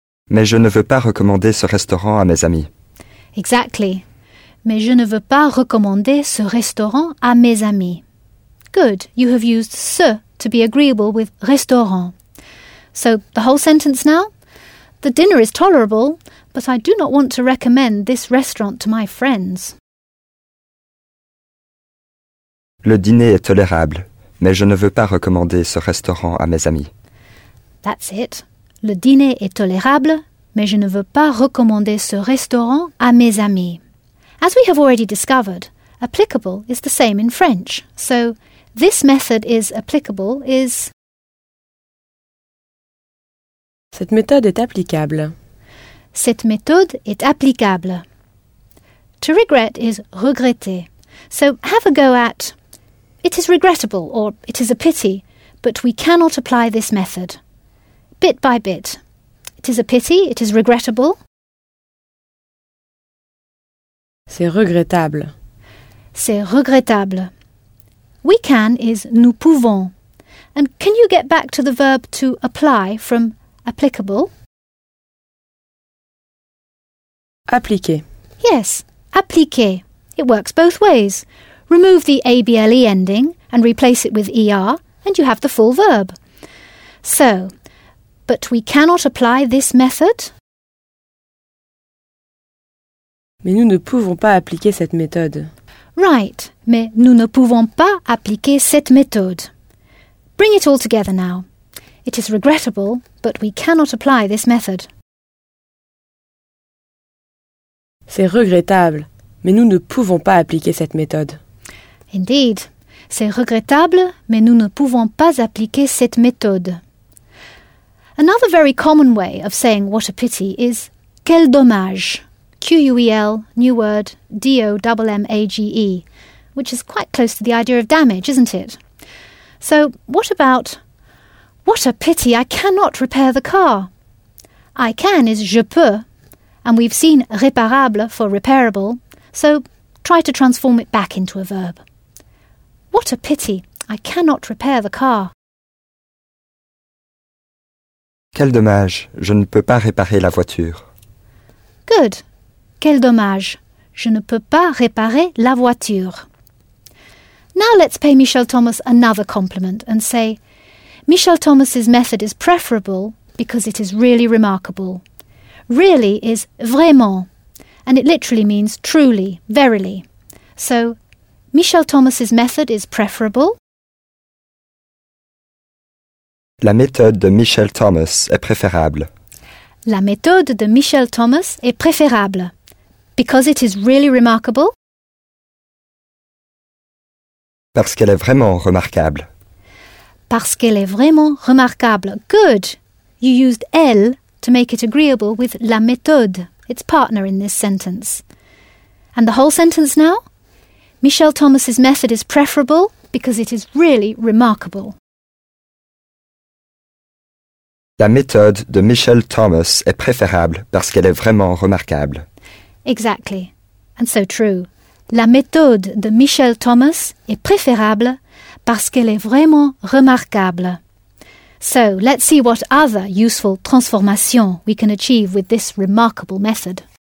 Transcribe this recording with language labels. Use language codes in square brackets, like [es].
[fr] Mais je ne veux pas recommander ce restaurant à mes amis. [en] Exactly. [fr] Mais je ne veux pas recommander ce restaurant à mes amis. [en] Good, you have used ce to be agreeable with restaurant. So, the whole sentence now? The dinner is tolerable, but I do not want to recommend this restaurant to my friends. [fr] Le dîner est tolérable, mais je ne veux pas recommander ce restaurant à mes amis. [en] That's it. [fr] Le dîner est tolérable, mais je ne veux pas recommander ce restaurant à mes amis. [en] As we have already discovered, applicable is the same in French. So, this method is applicable is... [fr] Cette méthode est applicable. Cette méthode est applicable. [en] To regret is regretter. So, have a go at... It is regrettable, or it is a pity, but we cannot apply this method. Bit by bit. It is a pity, it is regrettable. [fr] C'est regrettable. C'est regrettable. [en] We can is [fr] nous pouvons. [en] And can you get back to the verb to apply from applicable? [fr] Appliquer. [en] Yes, appliquer. It works both ways. Remove the A-B-L-E ending and replace it with E-R and you have the full verb. So, but we cannot apply this method. [fr] Mais nous ne pouvons pas appliquer cette méthode. Right, mais nous ne pouvons pas appliquer cette méthode. [en] Bring it all together now. It is regrettable, but we cannot apply this method. [fr] C'est regrettable, mais nous ne pouvons pas appliquer cette méthode. [en] Indeed. [fr] C'est regrettable, mais nous ne pouvons pas appliquer cette méthode. [en] Another very common way of saying what a pity is [fr] quel dommage. [en] Quel, new word, dommage, which is quite close to the idea of damage, isn't it? So, what about what a pity I cannot repair the car? I can is [fr] je peux, [en] and we've seen réparable for repairable, so try to transform it back into a verb. What a pity, I cannot repair the car. [fr] Quel dommage, je ne peux pas réparer la voiture. [en] Good. [fr] Quel dommage, je ne peux pas réparer la voiture. [en] Now let's pay Michel Thomas another compliment and say, Michel Thomas's method is preferable because it is really remarkable. Really is vraiment, and it literally means truly, verily. So, Michel Thomas's method is preferable. [fr] La méthode de Michel Thomas est préférable. La méthode de Michel Thomas est préférable. [en] Because it is really remarkable. [fr] Parce qu'elle est vraiment remarquable. Parce qu'elle est vraiment remarquable. [en] Good. You used elle to make it agreeable with la méthode, its partner in this sentence. And the whole sentence now? Michel Thomas's method is preferable because it is really remarkable. [fr] La méthode de Michel Thomas est préférable parce qu'elle est vraiment remarquable. [en] Exactly. And so true. [fr] La méthode de Michel Thomas est préférable parce qu'elle est vraiment remarquable. [en] So, let's see what other useful transformations we can achieve with this remarkable method.